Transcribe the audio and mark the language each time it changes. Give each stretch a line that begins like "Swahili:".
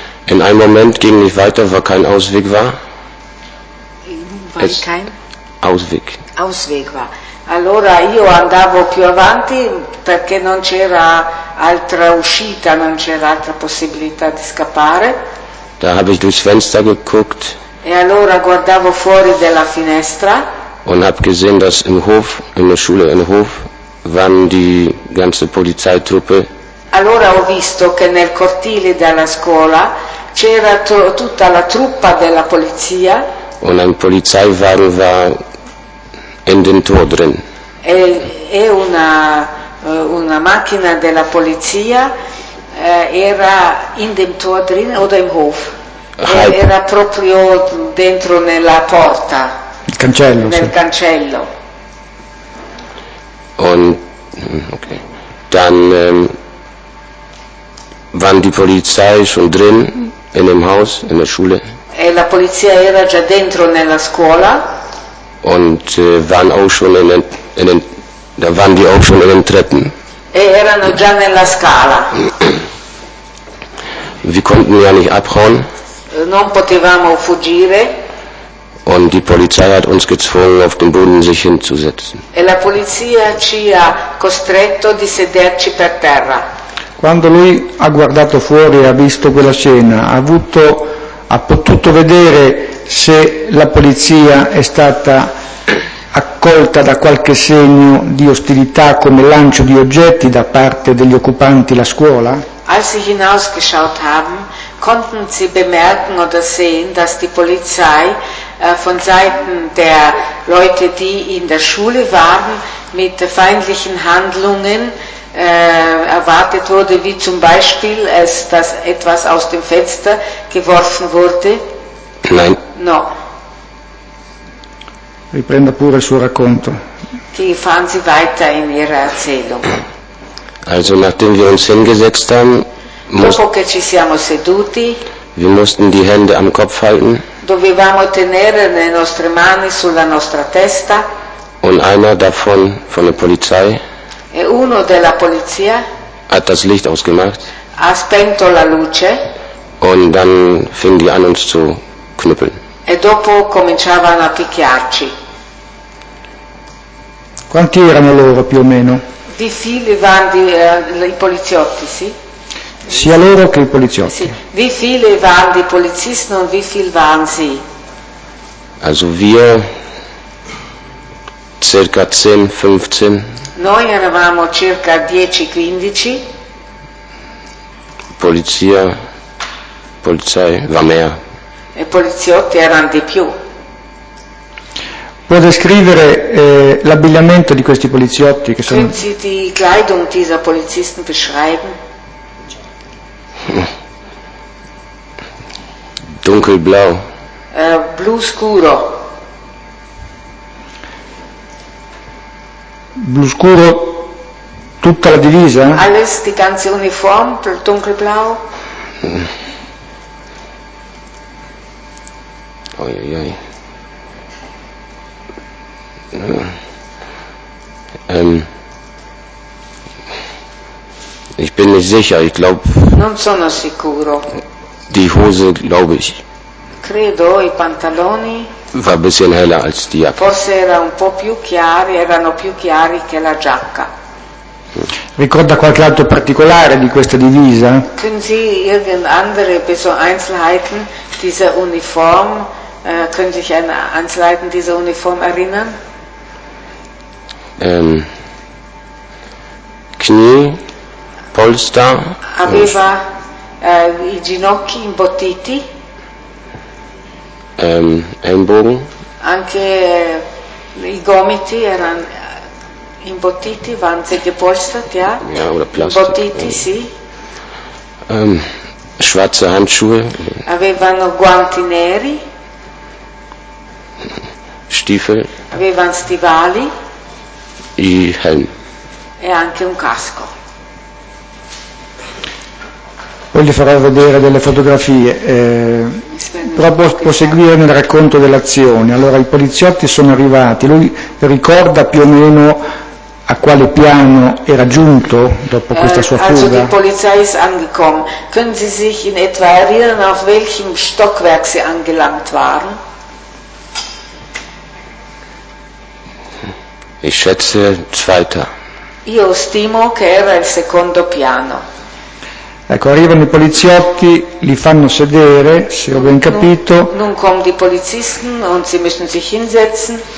German: In einem Moment ging ich weiter, weil kein Ausweg war. Weil kein Ausweg. Ausweg war.
Italian: Allora io andavo più avanti perché non c'era altra uscita, non c'era altra possibilità di scappare.
German: Da habe ich durchs Fenster geguckt.
Italian: E allora guardavo fuori dalla finestra.
German: Und habe gesehen, dass im Hof, in der Schule im Hof, waren die ganze Polizeitruppe.
Italian: Allora ho visto che nel cortile della scuola c'era tutta la truppa della polizia.
German: Und ein Polizeiwagen war in den Tor drin.
Italian: E una macchina della polizia era
German: in dem Tor drin oder im Hof.
Italian: Era proprio dentro nella porta. Il cancello. Nel sì. Cancello.
German: Und okay. Dann waren die Polizei schon drin in dem Haus, in der Schule.
Italian: E la polizia era già dentro nella scuola.
German: Und waren auch schon da waren die auch schon in den Treppen.
Italian: E erano già nella scala.
German: Wir konnten ja nicht abhauen.
Italian: Non potevamo fuggire.
German: Und die Polizei hat uns gezwungen, auf dem Boden sich hinzusetzen.
Italian: E la polizia ci ha costretto di sederci per terra. Quando lui ha guardato fuori e ha visto quella scena, ha potuto vedere se la polizia è stata accolta da qualche segno di ostilità come lancio di oggetti da parte degli occupanti la scuola?
German: Als sie hinausgeschaut haben, konnten sie bemerken oder sehen, dass die Polizei von Seiten der Leute, die in der Schule waren, mit feindlichen Handlungen erwartet wurde, wie zum Beispiel, dass etwas aus dem Fenster geworfen wurde? Nein.
Italian: No. Riprenda pure il suo racconto. Che fanno si
German: weiter in ihrer Erzählung. Also nachdem wir uns hingesetzt haben,
Italian: dopo che ci siamo seduti,
German: wir mussten die Hände am Kopf halten.
Italian: Dovevamo tenere le nostre mani sulla nostra testa.
German: Und einer davon von der Polizei.
Italian: Uno della polizia
German: hat das Licht ausgemacht.
Italian: Ha spento la luce.
German: Und dann fingen die an uns zu knüppeln.
Italian: E dopo cominciavano a picchiarci. Quanti erano loro più o meno? Di fili vanno i poliziotti, sì. Sia loro che i poliziotti. Sì. Vi fili vanno i polizisti, non vi fili vanno sì.
German: Also wir circa 10, 15.
Italian: Noi eravamo circa 10-15.
German: Polizia, polizei, war mehr.
Italian: E poliziotti erano di più. Puoi descrivere l'abbigliamento di questi poliziotti che sono?
German: Können Sie die Kleidung dieser Polizisten beschreiben? Dunkelblau.
Italian: Blu scuro. Blu scuro, tutta la divisa?
German: Alles die ganze Uniform, dunkelblau. Oi, oi, oi. Ich bin nicht sicher, ich glaube.
Italian: Non sono sicuro.
German: Die Hose, glaube ich.
Italian: Credo i pantaloni.
German: War ein bisschen heller als die Jacke.
Italian: Forse era un po' più chiari, erano più chiari che la giacca. Ricorda qualche altro particolare di questa divisa?
German: Können Sie irgendeine Einzelheiten dieser Uniform, können Sie sich an Einzelheiten dieser Uniform erinnern? Knie, Polster.
Italian: Aveva i ginocchi imbottiti.
German: Ellenbogen.
Italian: Anche i gomiti erano imbottiti,
German: waren sie gepolstert, ja? Ja, oder Plastik.
Italian: Imbottiti, sì.
German: Schwarze Handschuhe.
Italian: Avevano guanti neri.
German: Stiefel.
Italian: Avevano stivali.
German: I Helm.
Italian: E anche un casco. Poi gli farò vedere delle fotografie, però proseguire nel racconto dell'azione. Allora, i poliziotti sono arrivati, lui ricorda più o meno a quale piano era giunto dopo questa sua fuga?
German: Also, die Polizei ist angekommen. Können Sie sich in etwa erinnern, auf welchem Stockwerk Sie angelangt waren? Ich schätze, zweiter.
Italian: Io stimo che era il secondo piano. Ecco, arrivano i poliziotti, li fanno sedere, se ho ben capito.
German: Nun kommen die Polizisten und sie müssen sich hinsetzen.